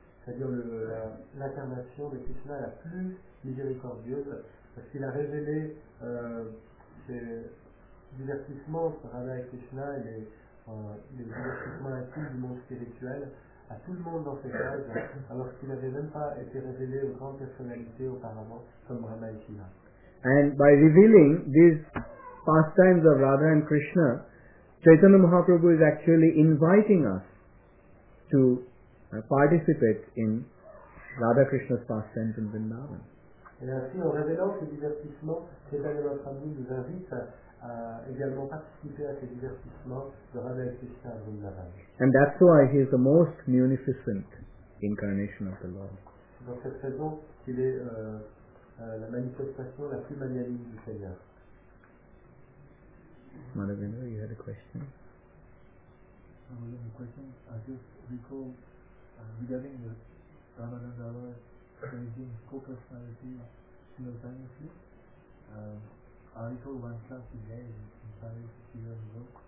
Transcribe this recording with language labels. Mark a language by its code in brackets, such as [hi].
[fr] C'est-à-dire l'incarnation de Krishna la plus miséricordieuse, parce qu'il a révélé ses divertissements entre Radha et Krishna et les divertissements intimes du monde spirituel à tout le monde dans ses âges, alors qu'il n'avait même pas été révélé aux grandes personnalités auparavant comme Radha et Krishna. [en] And by revealing these pastimes of Radha and Krishna, Chaitanya Mahaprabhu is actually inviting us to participate in Radha Krishna's pastimes in Vrindavan. [fr] Et ainsi, en révélant ce divertissement, Chaitanya Mahaprabhu nous invite à également participer à ce divertissement de Radha Krishna [en] in Vrindavan. And that's why he is the most munificent incarnation of the Lord. [fr] C'est dans cette raison qu'il est la manifestation la plus magnanime du Seigneur. [en] Madhavendra, you had a question? Regarding the Ramananda changing co-personality simultaneously, I recall one class he gave in Paris a few years ago.